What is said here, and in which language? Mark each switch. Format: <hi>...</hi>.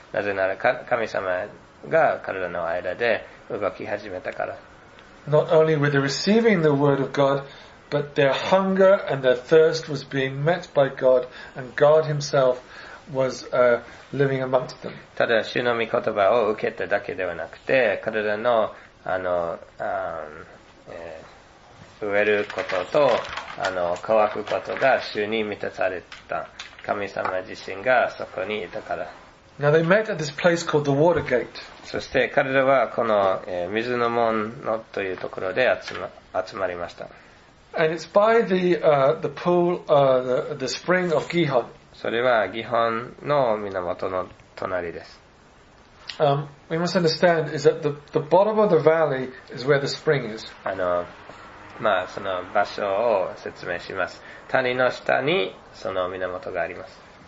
<ja>なぜなら神様が彼らの間で動き始めたから。</ja> <en>Not only were they receiving the word of God, but their hunger and their thirst was being met by God, and God himself was living amongst them.</en> <ja>ただ主の御言葉を受けただけではなくて、彼らの飢えることと乾くことが主に満たされた。神様自身がそこにいたから。</ja> <en>Now they met at this place called the Water Gate.</en> <ja>そして彼らはこの水の門のというところで集まりました。</ja> <en>And it's by the pool, the spring of Gihon.</en> <ja>それはギホンの源の隣です。</ja> <en>We must understand is that the bottom of the valley is where the spring is.</en> <ja>その場所を説明します。谷の下にその源があります。</ja>